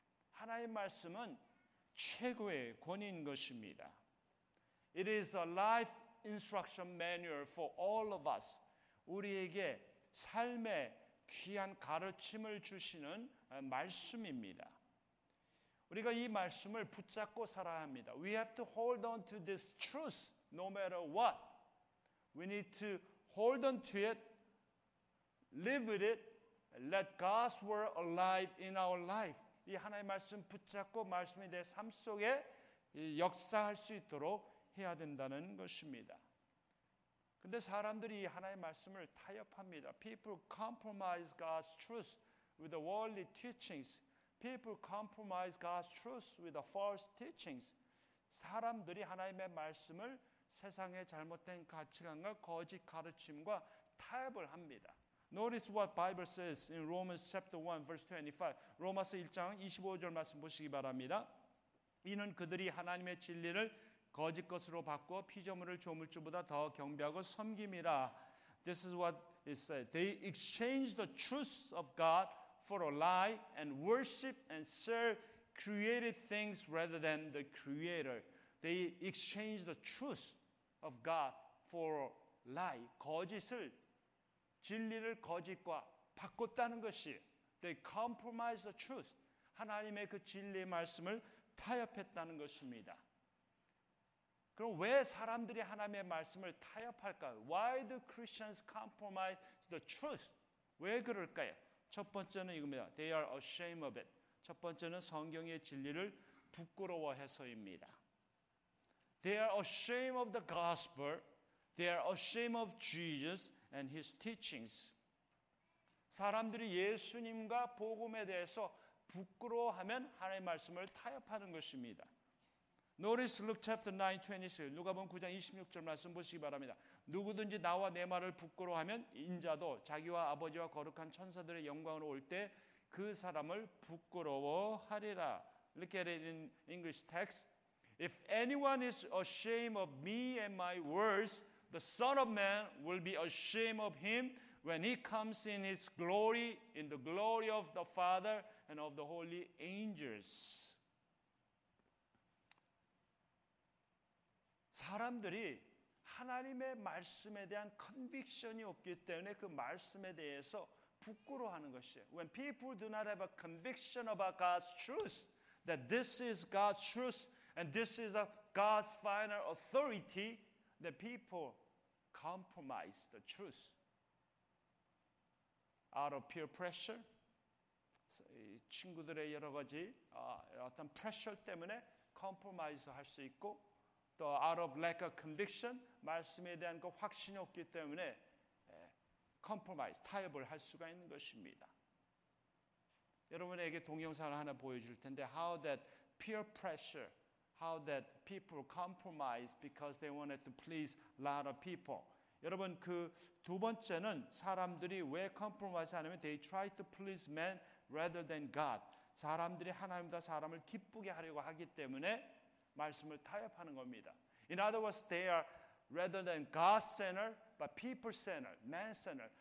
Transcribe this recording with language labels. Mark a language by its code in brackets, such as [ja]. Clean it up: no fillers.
[ko] 하나님 말씀은 최고의 권위인 것입니다. [en] It is a life instruction manual for all of us. [ko] 우리에게 삶의 귀한 가르침을 주시는 말씀입니다. 우리가 이 말씀을 붙잡고 살아야 합니다. [en] We have to hold on to this truth no matter what. We need to hold on to it. Live with it. Let God's word alive in our life. [ko] 이 하나님의 말씀 붙잡고 말씀이 내 삶 속에 역사할 수 있도록 해야 된다는 것입니다. 그런데 사람들이 이 하나님의 말씀을 타협합니다. [en] People compromise God's truth with the worldly teachings. People compromise God's truth with the false teachings. [ko] 사람들이 하나님의 말씀을 세상의 잘못된 가치관과 거짓 가르침과 타협을 합니다. [en] Notice what Bible says in Romans chapter 1 verse 25. [ko] 로마서 1장 25절 말씀 보시기 바랍니다. 이는 그들이 하나님의 진리를 거짓 것으로 바꾸어 피조물을 조물주보다 더 경배하고 섬김이라. [en] This is what it says. They exchange the truth of God for a lie and worship and serve created things rather than the creator. They exchange the truth of God for a lie. [ko] 거짓을 진리를 거짓과 바꿨다는 것이 [en] they compromise the truth. [ko] 하나님의 그 진리의 말씀을 타협했다는 것입니다. 그럼 왜 사람들이 하나님의 말씀을 타협할까요? [en] Why do Christians compromise the truth? [ko] 왜 그럴까요? 첫 번째는 이겁니다. [en] They are ashamed of it. [ko] 첫 번째는 성경의 진리를 부끄러워해서입니다. [en] They are ashamed of the gospel. They are ashamed of Jesus and his teachings. [ko] 사람들이 예수님과 복음에 대해서 부끄러워하면 하나님의 말씀을 타협하는 것입니다. [en] Notice Luke chapter 9:26. [ko] 누가복음 9장 26절 말씀 보시기 바랍니다. 누구든지 나와 내 말을 부끄러워하면 인자도 자기와 아버지와 거룩한 천사들의 영광으로 올 때 그 사람을 부끄러워하리라. [en] Look at it in English text. If anyone is ashamed of me and my words, The Son of Man will be ashamed of him when he comes in his glory, in the glory of the Father and of the holy angels. [ko] 사람들이 하나님의 말씀에 대한 컨빅션이 없기 때문에 그 말씀에 대해서 부끄러워하는 것이에요. [en] When people do not have a conviction about God's truth, that this is God's truth and this is a God's final authority, the people compromise the truth. Out of peer pressure, [ko] 친구들의 여러 가지 어떤 pressure 때문에 compromise 할 수 있고 또 [en] out of lack of conviction, [ko] 말씀에 대한 그 확신이 없기 때문에 compromise, 타협을 할 수가 있는 것입니다. 여러분에게 동영상을 하나 보여줄 텐데 [en] how that peer pressure, how that people compromise because they wanted to please a lot of people. [ko] 여러분 그 두 번째는 사람들이 왜 compromise 하냐면 [en] they try to please man rather than God. [ko] 사람들이 하나님보다 사람을 기쁘게 하려고 하기 때문에 말씀을 타협하는 겁니다. [en] In other words, they are rather than God-centered, but people-centered, man-centered.